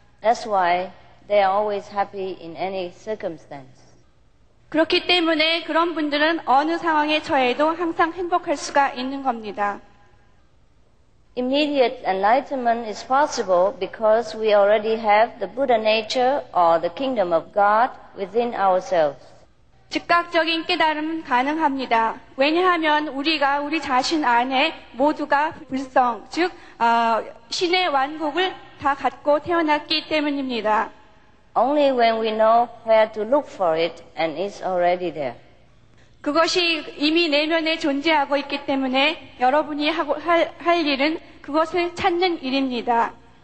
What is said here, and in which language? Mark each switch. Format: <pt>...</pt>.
<en>That's why they are always happy in any circumstance.</en> <ko>그렇기 때문에 그런 분들은 어느 상황에 처해도 항상 행복할 수가 있는 겁니다.</ko> <en>Immediate enlightenment is possible because we already have the Buddha nature or the kingdom of God within ourselves.</en> <ko>즉각적인 깨달음은 가능합니다. 왜냐하면 우리가 우리 자신 안에 모두가 불성, 즉 신의 왕국을 다 갖고 태어났기 때문입니다.</ko> <en>Only when we know where to look for it and it's already there.</en> <ko>그것이 이미 내면에 존재하고 있기 때문에 여러분이 할 일은 그것을 찾는 일입니다.</ko>